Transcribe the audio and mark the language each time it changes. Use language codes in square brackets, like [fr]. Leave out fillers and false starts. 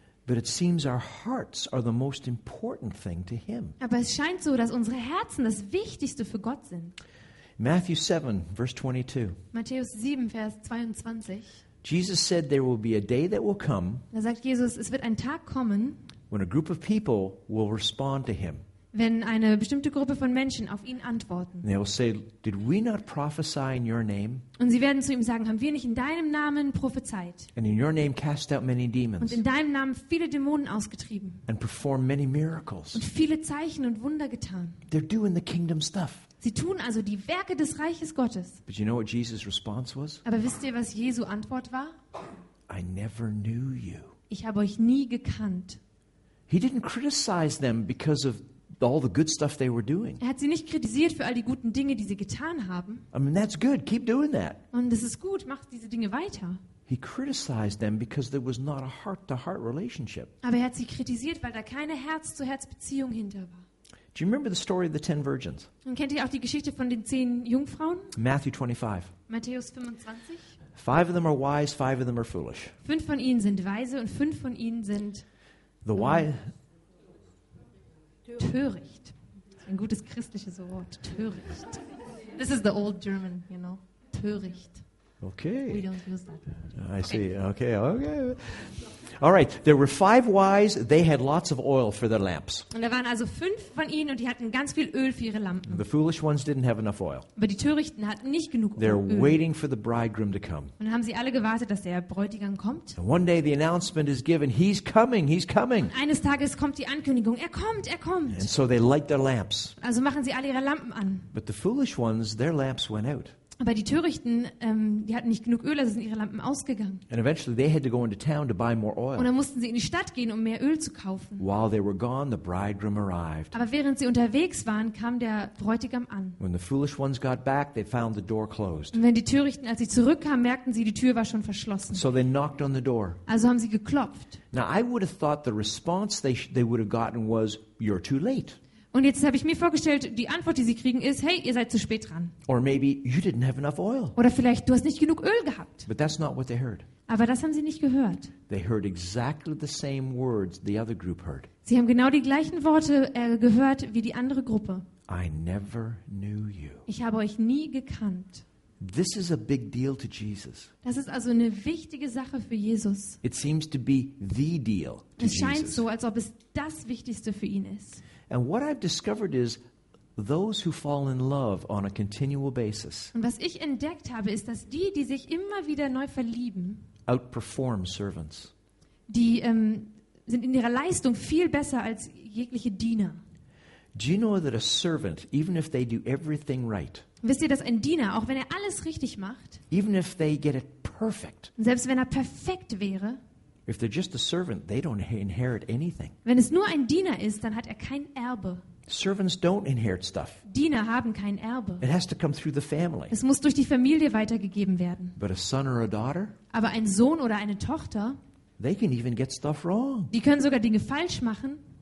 [en] But it seems our hearts are the most important thing to him. [de] Aber es scheint so, dass unsere Herzen das Wichtigste für Gott sind. [en] Matthew 7, verse 22. [de] Matthäus 7, Vers 22. [en] Jesus said there will be a day that will come. [de] Da sagt Jesus, es wird ein Tag kommen. [en] When a group of people will respond to him. [de] Wenn eine bestimmte Gruppe von Menschen auf ihn antworten. [en] They will say, "Did we not prophesy in your name?" [de] Und sie werden zu ihm sagen, haben wir nicht in deinem Namen prophezeit? [en] And in your name cast out many demons. [de] Und in deinem Namen viele Dämonen ausgetrieben. [en] And perform many miracles. [de] Und viele Zeichen und Wunder getan. [en] They're doing the kingdom stuff. [de] Sie tun also die Werke des Reiches Gottes. [en] But you know what Jesus' response was? [de] Aber wisst ihr, was Jesu Antwort war? [en] I never knew you. [de] Ich habe euch nie gekannt. [en] He didn't criticize them because of all the good stuff they were doing. [de] Er hat sie nicht kritisiert für all die guten Dinge, die sie getan haben. [en] I mean, that's good. Keep doing that. [de] Und das ist gut, mach diese Dinge weiter. [en] He criticized them because there was not a heart-to-heart relationship. [de] Aber er hat sie kritisiert, weil da keine Herz-zu-Herz-Beziehung hinter war. [en] Do you remember the story of the 10 virgins? [de] Und kennt ihr auch die Geschichte von den 10 Jungfrauen? [en] Matthew 25. [de] Matthäus 25. [en] 5 of them are wise, 5 of them are foolish. [de] 5 von ihnen sind weise und 5 von ihnen sind [en] the wise. [de] Töricht. Ein gutes christliches Wort. Töricht. [en] This is the old German, you know. Töricht. Okay. We don't use that. I see. Okay. Okay. All right. There were 5 wise. They had lots of oil for their lamps. [de] Und da waren also 5 von ihnen und die hatten ganz viel Öl für ihre Lampen. [en] The foolish ones didn't have enough oil. [de] Aber die Törichten hatten nicht genug Öl. [en] They're waiting for the bridegroom to come. [de] Und dann haben sie alle gewartet, dass der Bräutigam kommt. [en] And one day the announcement is given. He's coming. He's coming. [de] Und eines Tages kommt die Ankündigung. Er kommt. Er kommt. [en] And so they light their lamps. [de] Also machen sie alle ihre Lampen an. [en] But the foolish ones, their lamps went out. [de] Aber die Törichten, die hatten nicht genug Öl, also sind ihre Lampen ausgegangen. [en] And eventually they had to go into town to buy more oil. [de] Und dann mussten sie in die Stadt gehen, um mehr Öl zu kaufen. [en] While they were gone, the bridegroom arrived. [de] Aber während sie unterwegs waren, kam der Bräutigam an. [en] When the foolish ones got back, they found the door closed. [de] Und wenn die Törichten, als sie zurückkamen, merkten sie, die Tür war schon verschlossen. [en] So they knocked on the door. [de] Also haben sie geklopft. [en] Now I would have thought the response they would have gotten was, "You're too late." [de] Und jetzt habe ich mir vorgestellt, die Antwort, die sie kriegen, ist, hey, ihr seid zu spät dran. [en] Or maybe you didn't have enough oil. [de] Oder vielleicht, du hast nicht genug Öl gehabt. [en] But that's not what they heard. [de] Aber das haben sie nicht gehört. [en] They heard exactly the same words the other group heard. [de] Sie haben genau die gleichen Worte gehört wie die andere Gruppe. [en] I never knew you. [de] Ich habe euch nie gekannt. [en] This is a big deal to Jesus. [de] Das ist also eine wichtige Sache für Jesus. [en] It seems to be the deal to Jesus. [de] Es scheint so, als ob es das Wichtigste für ihn ist. [en] And what I've discovered is those who fall in love on a continual basis. [de] Und was ich entdeckt habe, ist, dass die, die sich immer wieder neu verlieben, [en] outperform servants. [de] Die sind in ihrer Leistung viel besser als jegliche Diener. [en] Do you know that a servant, even if they do everything right, [de] wisst ihr, dass ein Diener, auch wenn er alles richtig macht, [en] even if they get it perfect, [de] selbst wenn er perfekt wäre, [en] if they're just a servant, they don't inherit anything. [de] Wenn es nur ein Diener ist, dann hat er kein Erbe. [en] Servants don't inherit stuff. [de] Diener haben kein Erbe. [en] It has to come through the family. [de] Es muss durch die Familie weitergegeben werden. [en] But a son or a daughter, [de] aber ein Sohn oder eine Tochter, [en] they can even get stuff wrong. [de] Die können sogar Dinge falsch machen.